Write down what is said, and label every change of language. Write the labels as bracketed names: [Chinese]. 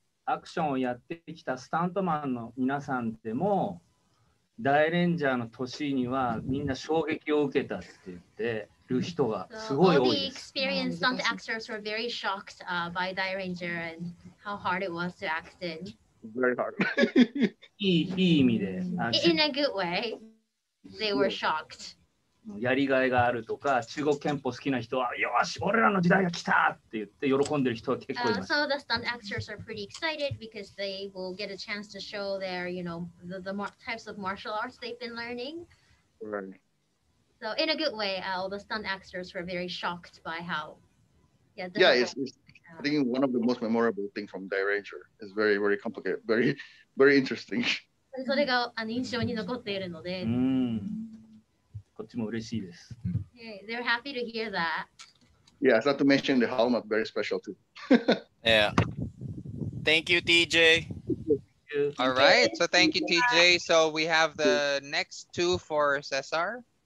[Japanese] Action をやってきたスタントマンの皆さんでも、ダイレンジャーの年にはみんな衝撃を受けたって言ってる人がすごい多いです。 [English] All the experienced stunt actors were very shocked by Dairanger and how hard it was to act in. Very hard. [Japanese] いい意味で。 [English] In a good way, they were shocked. [Japanese] やりがいがあるとか、中国拳法好きな人は、よし、俺らの時代が来たって言って喜んでる人は結構います。 [English] So the stunt actors are pretty excited because they will get a chance to show their, you know, the types of martial arts they've been learning. Right. So in a good way, all the stunt actors were very shocked by how... I think one of the most memorable things from Dairanger is very, very complicated, very, very interesting. [Japanese] それが印象に残っているので。こっちも嬉しいです。 [English] Hey, they're happy to hear that. Yeah, not to mention the helmet, very special too. Yeah. Thank you, TJ. All right, so thank you, TJ. So we have the next two for Cesar.